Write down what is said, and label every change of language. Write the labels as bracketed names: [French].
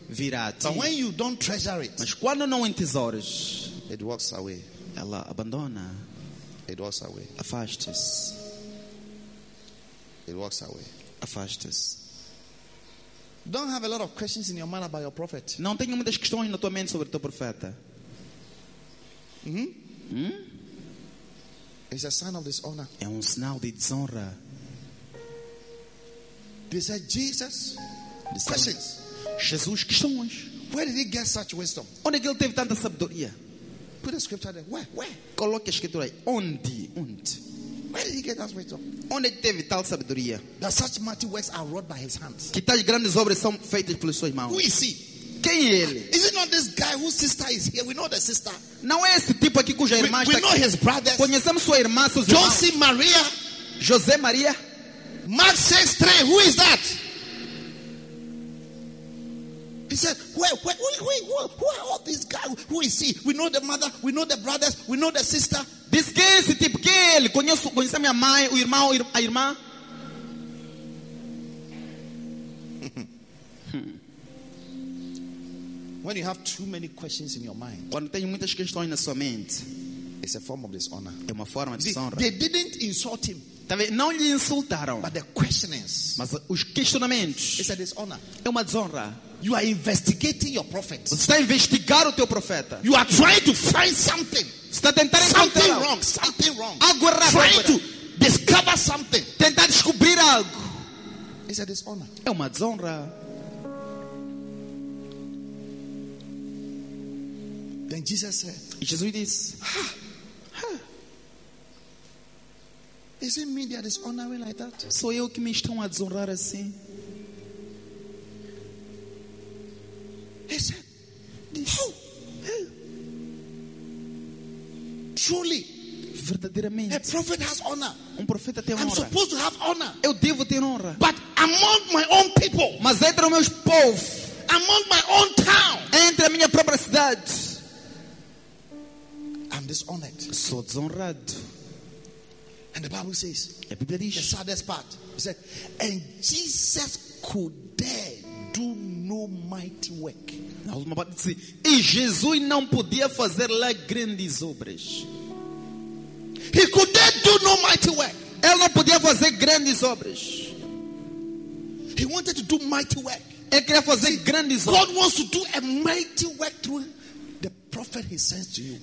[Portuguese] virá a ti. [English] But when you don't treasure it, [Portuguese] mas quando não entesouras, [English] it walks away. [Portuguese] Ela abandona. [English] It walks away. [Portuguese] Afastes. [English] It walks away. [Portuguese] Afastes. [English] Don't have a lot of questions in your mind about your prophet. [Portuguese] Não tenho muitas questões na tua mente sobre o teu profeta. Mm-hmm. Hmm? [English] It's a sign of dishonor. [Portuguese] É um sinal de desonra. [English] They said Jesus. Questions. [Portuguese] Jesus, questões. [English] Where did he get such wisdom? [Portuguese] Onde ele teve tanta sabedoria? [English] Put a scripture there. Where? [Portuguese] Coloque a escritura aí. Onde? [English] Where did he get that wisdom? [Portuguese] Onde teve tal sabedoria? [English] That such mighty works are wrought by his hands. [Portuguese] Que tais grandes obras são feitas pelas suas mãos. [English] Who is he? [Portuguese] Quem é ele? [English] Is it not this guy whose sister is here? We know the sister. [Portuguese] Não é esse tipo aqui cuja irmã está aqui. [English] We know his brothers. [Portuguese] Conhecemos sua irmã, seus irmãos. José Maria. José Maria. [English] Mark 6:3. Who is that? He said, who are all these guys? Who is he? We know the mother, we know the brothers, we know the sister. This case, [Portuguese] tipo, que ele? Conhece a minha mãe, o irmão, a irmã? [English] When you have too many questions in your mind, [Portuguese] quando tem muitas questões na sua mente, [English] it's a form of dishonor. [Portuguese] É uma forma de desonra. [English] They didn't insult him. [Portuguese] Não lhe insultaram. [English] But the questionings. [Portuguese] Mas os questionamentos. [English] It's a dishonor. [Portuguese] É uma desonra. [English] You are investigating your prophet. [Portuguese] Você está a investigar o teu profeta. [English] You are trying to find something. [Portuguese] Está a tentar encontrar [English] something wrong. Something wrong. [Portuguese] Algo errado. [English] Trying to discover something. [Portuguese] Tentar descobrir algo. [English] It's a dishonor. [Portuguese] É uma desonra. [English] Then Jesus said. [Portuguese] Jesus disse. [English] Is it me that is honoring like that? [Portuguese] Sou eu que me estão a desonrar assim? [English] He said, "Who? Truly, [Portuguese] verdadeiramente, [English] a prophet has honor. [Portuguese] Um profeta tem honra. [English] I'm supposed to have honor. [Portuguese] Eu devo ter honra. [English] But among my own people, [Portuguese] mas entre os meus povos, [English] among my own town, [Portuguese] entre a minha própria cidade, [English] I'm dishonored. [Portuguese] Sou desonrado." [English] And the Bible says, [Portuguese] a Bíblia diz, [English] the saddest part, he said, and Jesus could dare do no mighty work. [Portuguese] Na última parte diz, e Jesus não podia fazer lá grandes obras. [English] He could dare do no mighty work. [Portuguese] Ele não podia fazer grandes obras. [English] He wanted to do mighty work. [Portuguese] Ele queria fazer grandes obras. [English] God wants to do a mighty work through him. Prophet he sends to you.